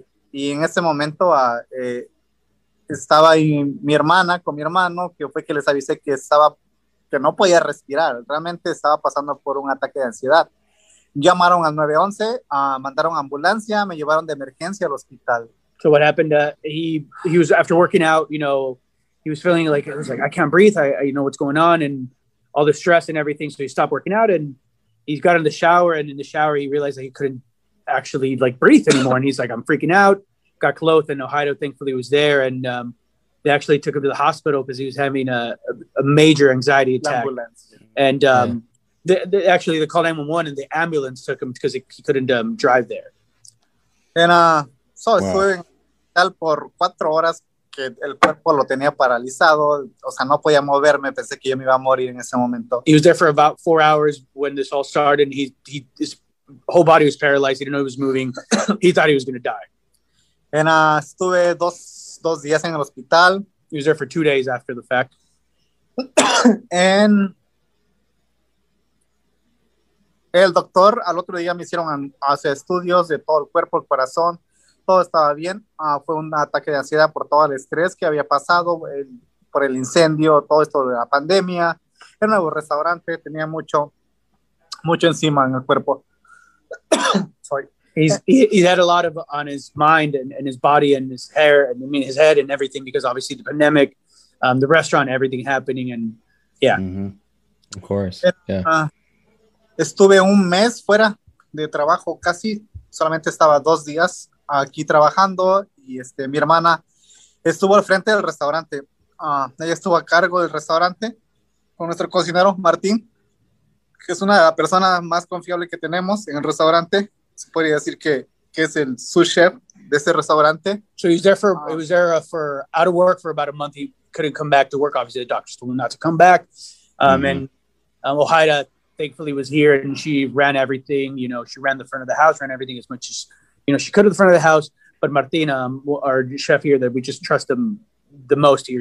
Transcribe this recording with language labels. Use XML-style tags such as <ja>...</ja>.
<es>Y en ese momento estaba ahí mi hermana con mi hermano, que fue que les avisé que no podía respirar. Realmente estaba pasando por un ataque de ansiedad. Llamaron al 911, mandaron ambulancia, me llevaron de emergencia al hospital.</es> <en>So what happened, he was after working out, you know, he was feeling like, it was like, I can't breathe, I you know what's going on, and all the stress and everything, so he stopped working out, and he's got in the shower, and in the shower he realized that he couldn't actually, like, breathe anymore, and he's like, I'm freaking out, got cloth, and Ojeda thankfully was there, and they actually took him to the hospital because he was having a major anxiety attack. And they called 911 and the ambulance took him because he couldn't drive there. And</en> <es>estuve en tal por 4 horas que el cuerpo lo tenía paralizado. O sea, no podía moverme. Pensé que yo me iba a morir en ese momento.</es> <en>He was there for about 4 hours when this all started. And his whole body was paralyzed. He didn't know he was moving. He thought he was going to die. And</en> <es>estuve dos días en el hospital.</es> <en>He was there for 2 days after the fact. And</en> <es>el doctor, al otro día me hicieron hacer estudios de todo el cuerpo, el corazón, todo estaba bien. Fue un ataque de ansiedad por todo el estrés que había pasado, por el incendio, todo esto de la pandemia, el nuevo restaurante, tenía mucho, mucho encima en el cuerpo.</es> <en>Sorry. He had a lot of on his mind and his body and his hair and I mean his head and everything because obviously the pandemic, the restaurant, everything happening and yeah, mm-hmm. Of course.</en> <es>Estuve un mes fuera de trabajo casi solamente estaba 2 días aquí trabajando y mi hermana estuvo al frente del restaurante. Ella estuvo a cargo del restaurante con nuestro cocinero Martín, que es una de las personas más confiables que tenemos en el restaurante. Se podría decir que es el sous chef de ese restaurante.</es> <en>So he's there for, he was there for out of work for about a month. He couldn't come back to work. Obviously, the doctors told him not to come back. And Ojeda, thankfully, was here and she ran everything. You know, she ran the front of the house, ran everything as much as, you know, she could at the front of the house. But Martín, our chef here, that we just trust him the most here.</en>